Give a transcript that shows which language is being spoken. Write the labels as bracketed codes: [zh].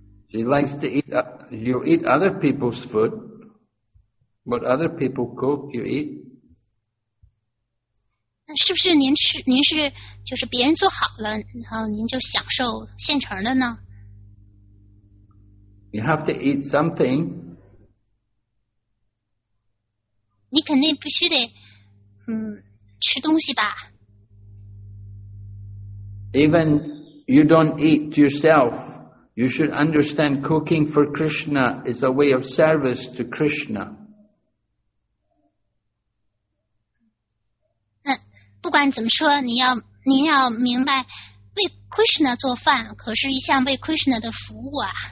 [en] She likes to eat, you eat other people's food. What other people cook, you eat. [zh] 是不是您是就是别人做好了，然后您就享受现成的呢 [en] ？You have to eat something. [zh] 你肯定必须得吃东西吧。 [en] Even you don't eat yourself, you should understand cooking for Krishna is a way of service to Krishna. [zh] 不管怎么说，您要明白，为 Krishna 做饭可是一项为 Krishna 的服务啊。